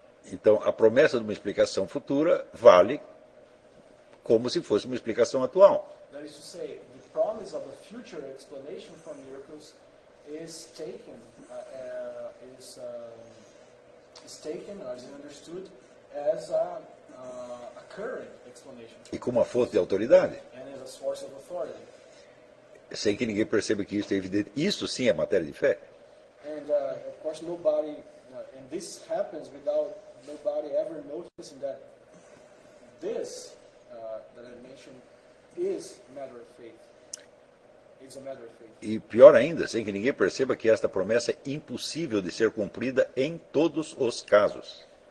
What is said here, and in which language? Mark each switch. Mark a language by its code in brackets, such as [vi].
[pt] Então, a promessa de uma explicação futura vale como se fosse uma explicação atual. [en] That is to say, the promise of a future explanation for miracles is taken as a current explanation. [pt] E como a fonte de autoridade. [en] And as a source of authority. [pt] Sem que ninguém perceba que isso é evidente. Isso sim é matéria de fé. [en] And of course nobody, and this happens without nobody ever noticing that this that I mentioned is a matter of faith. [pt] E pior ainda, sem que ninguém perceba que esta promessa é impossível de ser cumprida em todos os casos.